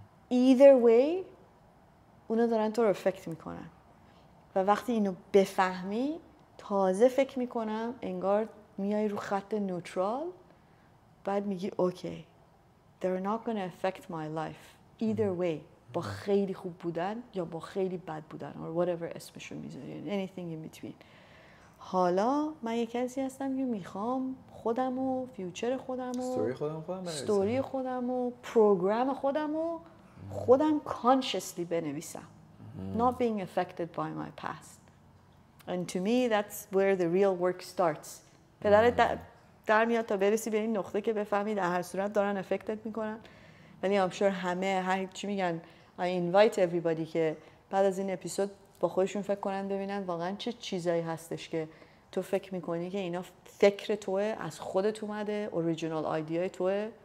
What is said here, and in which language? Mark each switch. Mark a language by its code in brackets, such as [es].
[en] either way [fa] اونا دارن تو رو افکت میکنن و وقتی اینو بفهمی تازه فکر میکنم انگار میای رو خط نوترال بعد میگی اوکی [en] they're not gonna affect my life either way [fa] با خیلی خوب بودن یا با خیلی بد بودن [en] or whatever [fa] اسمشو میذاری [en] anything in between [fa] حالا من یک کسی هستم که میخوام خودمو، فیوچر خودمو، استوری خودمو، پروگرام خودمو خودم کانشسلی بنویسم. [en] Not being affected by my past. And to me, that's where the real work starts. [fa] پدرت در میاد تا برسی به این نقطه که بفهمی در هر صورت دارن افکتت میکنن. ولی [en] I'm sure [fa] همه هر چی میگن [en] I invite everybody [fa] که بعد از این اپیزود با خودشون فکر کنن ببینن واقعا چه چیزایی هستش که تو فکر میکنی که اینا فکر توه، از خودت اومده، اوریجینال ایده توه.